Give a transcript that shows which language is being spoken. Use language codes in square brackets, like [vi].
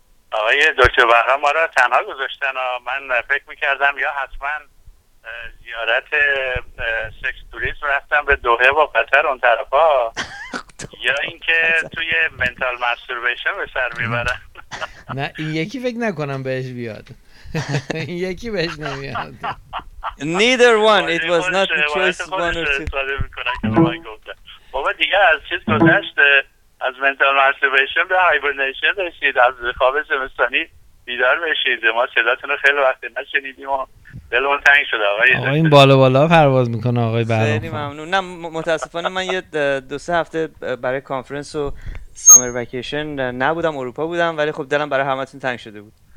[fa] آقای دکتر بهرام ما را تنها گذاشتن، من فکر میکردم یا حتما زیارت سکس توریست رفتم به دوحه و قطر اون طرف ها یا اینکه توی منتال مستوربیشن به سر میبرم. نه این یکی فکر نکنم بهش بیاد، این یکی بهش نمیاد. [en] Neither one, it was not the choice one or two. [fa] بابا دیگه از چیز گذشت، از منتال مستوربیشن به هایبرنیشن رسید، از خواب زمستانی بیدار بشید. ما صداتون رو خیلی وقت نشنیدیم و دلون تنگ شده. آقای این بالا بالا پرواز میکنه آقای برام. خیلی ممنون. نه متاسفانه من یه دو سه هفته برای کانفرنس و سامر وکیشن نبودم، اروپا بودم، ولی خب دلم برای همتون تنگ شده بود.